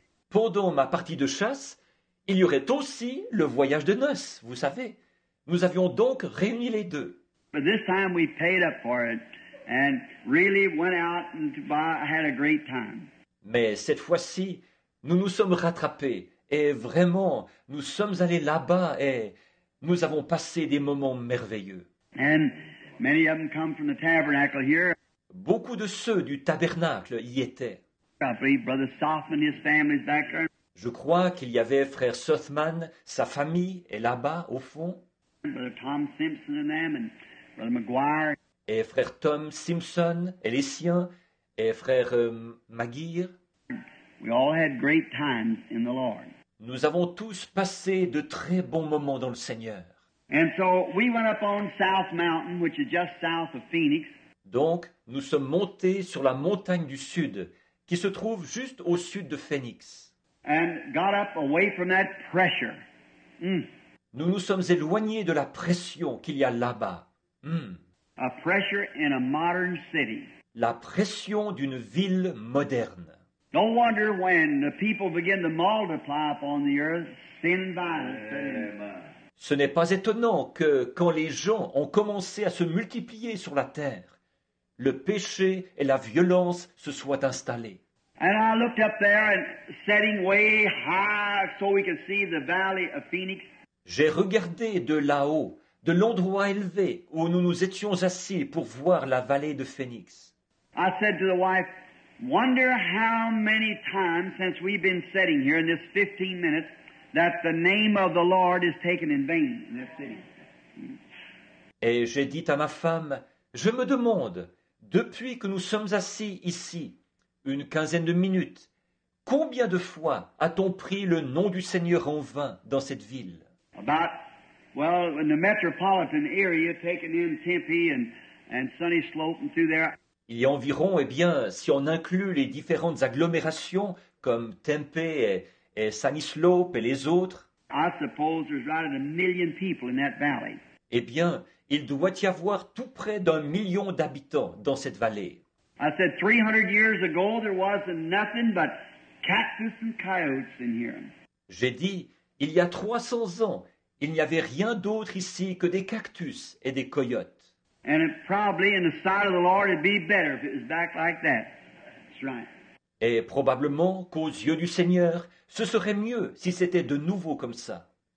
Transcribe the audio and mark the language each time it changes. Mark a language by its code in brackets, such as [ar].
[fr] Pendant ma partie de chasse, il y aurait aussi le voyage de noces, vous savez. Nous avions donc réuni les deux. [en] But this time we paid up for it and really went out and had a great time. [fr] Mais cette fois-ci, nous nous sommes rattrapés et vraiment, nous sommes allés là-bas et nous avons passé des moments merveilleux. [en] And many of them come from the tabernacle here. [fr] Beaucoup de ceux du tabernacle y étaient. [en] I believe Brother Sothman and his family's back there. [fr] Je crois qu'il y avait frère Sothman, sa famille est là-bas au fond. [en] Brother Tom Simpson and them and Brother McGuire. [fr] Et frère Tom Simpson et les siens et frère Maguire. [en] We all had great times in the Lord. [fr] Nous avons tous passé de très bons moments dans le Seigneur. [en] And so we went up on South Mountain, which is just south of Phoenix. [fr] Donc nous sommes montés sur la montagne du sud qui se trouve juste au sud de Phoenix. [en] And got up away from that pressure. Mm. [fr] Nous nous sommes éloignés de la pression qu'il y a là-bas. [en] A pressure in a modern city. [fr] La pression d'une ville moderne. [en] No wonder when the people begin to multiply upon the earth, sin violence. [fr] Ce n'est pas étonnant que quand les gens ont commencé à se multiplier sur la terre, le péché et la violence se soient installés. [en] And I looked up there and setting way high so we could see the valley of Phoenix. [fr] J'ai regardé de là-haut, de l'endroit élevé où nous nous étions assis pour voir la vallée de Phoenix. [en] I said to the wife, wonder how many times since we've been sitting here in this 15 minutes that the name of the Lord is taken in vain in this city. [fr] Et j'ai dit à ma femme, je me demande, depuis que nous sommes assis ici, une quinzaine de minutes, combien de fois a-t-on pris le nom du Seigneur en vain dans cette ville? [en] About, well, in the metropolitan area, taking in Tempe and Sunny Slope and through there. [fr] Il y a environ, eh bien, si on inclut les différentes agglomérations comme Tempe et Sunny Slope et les autres, [en] I suppose there's right at a million people in that valley. [fr] Eh bien, il doit y avoir tout près d'un million d'habitants dans cette vallée. [en] I said 300 years ago there was nothing but cactus and coyotes in here. [fr] J'ai dit il y a 300 ans, il n'y avait rien d'autre ici que des cactus et des coyotes. [en] And it probably in the sight of the Lord it'd be better if it was back like that. That's right. [fr] Et probablement qu'aux yeux du Seigneur, ce serait mieux si c'était de nouveau comme ça.